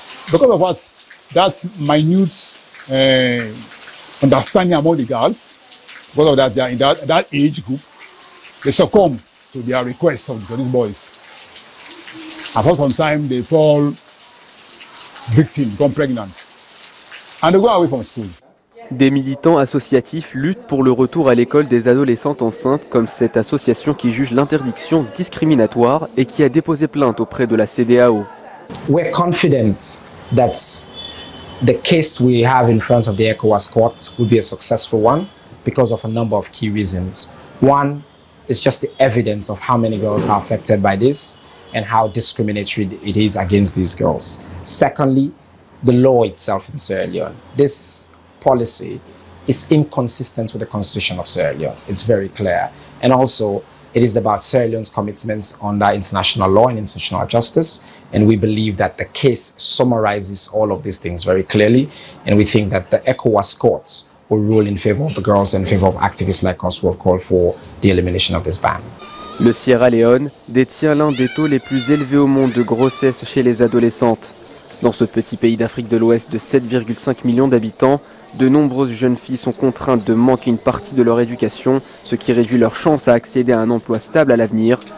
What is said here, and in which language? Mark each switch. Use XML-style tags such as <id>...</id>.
<en>Because of us, that minute understanding among the girls, because of that they are in that age group, they succumb to their request of these boys. After some time, they fall victim, become pregnant.</en> <fr>Des militants associatifs luttent pour le retour à l'école des adolescentes enceintes, comme cette association qui juge l'interdiction discriminatoire et qui a déposé plainte auprès de la CDAO.</fr> <en>We're confident that the case we have in front of the ECOWAS court will be a successful one because of a number of key reasons. One is just the evidence of how many girls are affected by this and how discriminatory it is against these girls. Secondly, the law itself in Sierra Leone. This policy is inconsistent with the constitution of Sierra Leone. It's very clear. And also, it is about Sierra Leone's commitments under international law and international justice. And we believe that the case summarizes all of these things very clearly. And we think that the ECOWAS courts will rule in favor of the girls and in favor of activists like us who have called for the elimination of this ban.</en> <fr>Le Sierra Leone détient l'un des taux les plus élevés au monde de grossesse chez les adolescentes. Dans ce petit pays d'Afrique de l'Ouest de 7,5 millions d'habitants, de nombreuses jeunes filles sont contraintes de manquer une partie de leur éducation, ce qui réduit leurs chances à accéder à un emploi stable à l'avenir.</fr>